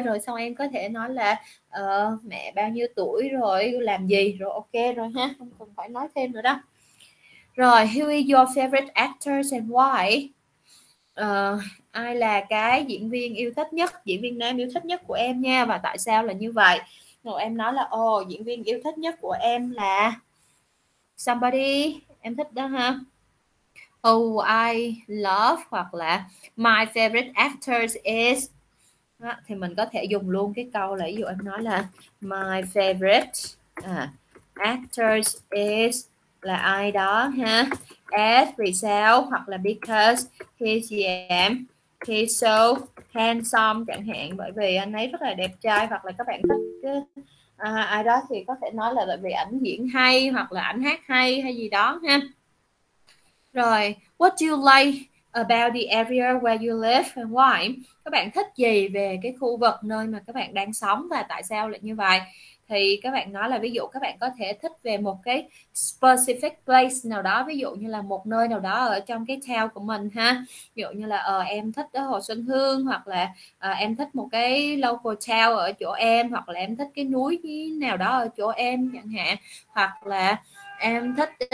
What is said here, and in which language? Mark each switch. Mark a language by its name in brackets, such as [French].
[Vietnamese] Rồi xong em có thể nói là mẹ bao nhiêu tuổi rồi, làm gì rồi, ok rồi ha, không cần phải nói thêm nữa đâu. Rồi, [English] who is your favorite actors and why? [Vietnamese] Ai là cái diễn viên yêu thích nhất, diễn viên nam yêu thích nhất của em nha, và tại sao là như vậy? Rồi em nói là diễn viên yêu thích nhất của em là [English] somebody, [Vietnamese] em thích đó ha. [English] I love, [Vietnamese] hoặc là [English] my favorite actors is [Vietnamese] đó, thì mình có thể dùng luôn cái câu là, ví dụ em nói là my favorite actors is là ai đó ha, as vì sao, hoặc là [English] because he's so handsome [Vietnamese] chẳng hạn, bởi vì anh ấy rất là đẹp trai, hoặc là các bạn thích ai đó thì có thể nói là tại vì ảnh diễn hay, hoặc là ảnh hát hay hay gì đó ha. Rồi, [English] what do you like about the area where you live and why? [Vietnamese] Các bạn thích gì về cái khu vực nơi mà các bạn đang sống và tại sao lại như vậy? Thì các bạn nói là ví dụ các bạn có thể thích về một cái [English] specific place [Vietnamese] nào đó, ví dụ như là một nơi nào đó ở trong cái town của mình ha, ví dụ như là em thích ở Hồ Xuân Hương, hoặc là em thích một cái [English] local town [Vietnamese] ở chỗ em, hoặc là em thích cái núi nào đó ở chỗ em chẳng hạn, hoặc là em thích